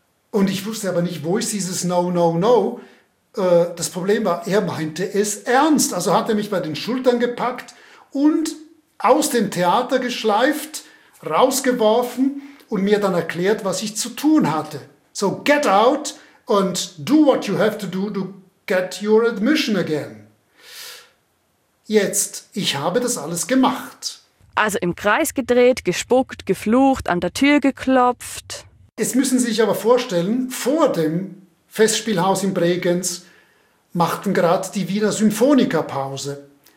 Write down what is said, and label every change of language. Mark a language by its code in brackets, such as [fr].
[de] Und ich wusste aber nicht, wo ist dieses No, No, No. Das Problem war, er meinte es ernst. Also hat er mich bei den Schultern gepackt und aus dem Theater geschleift, rausgeworfen und mir dann erklärt, was ich zu tun hatte. [en] So get out and do what you have to do to get your admission again. [de] Jetzt, ich habe das alles gemacht. Also im Kreis gedreht, gespuckt, geflucht, an der Tür geklopft. Jetzt müssen Sie sich aber vorstellen, vor dem Festspielhaus in Bregenz machten gerade die Wiener Symphoniker Pause.